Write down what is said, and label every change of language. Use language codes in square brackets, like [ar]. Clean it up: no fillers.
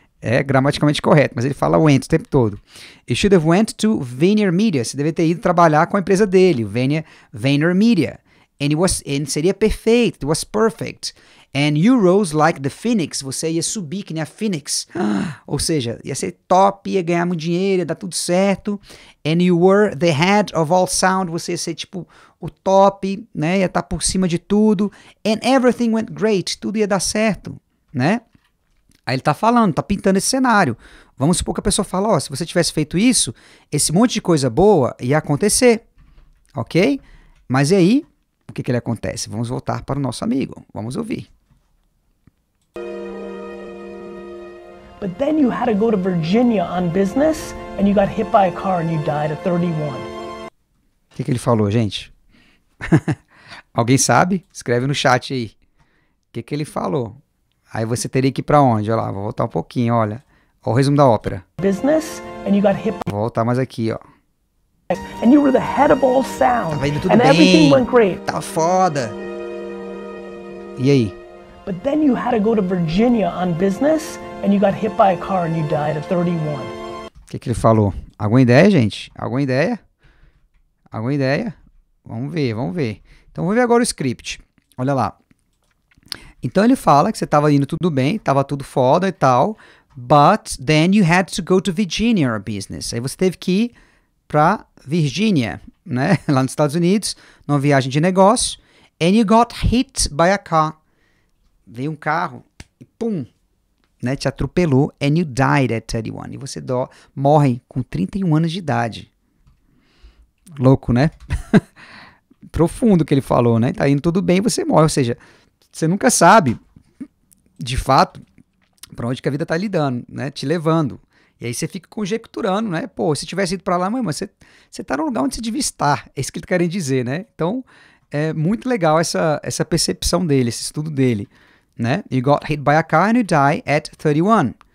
[pt] É gramaticalmente correto, mas ele fala went o tempo todo. [en] You should have went to Veneer Media. [pt] Você deveria ter ido trabalhar com a empresa dele, Veneer Media. [en] And [pt] seria perfeito. [en] It was perfect. And you rose like the phoenix. [pt] Você ia subir que nem a phoenix. Ou seja, ia ser top, ia ganhar muito dinheiro, ia dar tudo certo. [en] And you were the head of all sound. [pt] Você ia ser tipo o top, né? Ia estar por cima de tudo. [en] And everything went great. [pt] Tudo ia dar certo, né? Aí ele tá falando, tá pintando esse cenário. Vamos supor que a pessoa fala, ó, se você tivesse feito isso, esse monte de coisa boa ia acontecer. Ok? Mas e aí? O que que ele acontece? Vamos voltar para o nosso amigo. Vamos ouvir. [en] But then you had to go to Virginia on business and you got hit by a car and you died at 31. [pt] O que que ele falou, gente? Alguém sabe? Escreve no chat aí. O que que ele falou? Aí você teria que ir para onde? Olha lá, vou voltar um pouquinho, olha. Olha o resumo da ópera. [en] Business and you got hit. [pt] Vou voltar mais aqui, ó. [en] And you were the head of all sound. [pt] Tava indo tudo [en] and [pt] bem. [en] Everything went great. [pt] Tava foda. E aí? [en] But then you had to go to Virginia on business and you got hit by a car and you died at 31. [pt] Que ele falou? Alguma ideia, gente? Alguma ideia? Alguma ideia? Vamos ver, vamos ver. Então vamos ver agora o script. Olha lá. Então ele fala que você tava indo tudo bem, tava tudo foda e tal. [en] But then you had to go to Virginia or business. [pt] Aí você teve que ir pra Virgínia, né? Lá nos Estados Unidos, numa viagem de negócio. [en] And you got hit by a car. [pt] Veio um carro e pum, né? Te atropelou. [en] And you died at 31. [pt] E você morre com 31 anos de idade. Louco, né? Profundo que ele falou, né? Tá indo tudo bem e você morre. Ou seja, você nunca sabe, de fato, pra onde que a vida tá lidando, né? Te levando. E aí você fica conjecturando, né? Pô, se tivesse ido pra lá, mãe, mas você tá no lugar onde você devia estar. É isso que eles querem dizer, né? Então, é muito legal essa percepção dele, esse estudo dele, né? [en] You got hit by a car and you die at 31.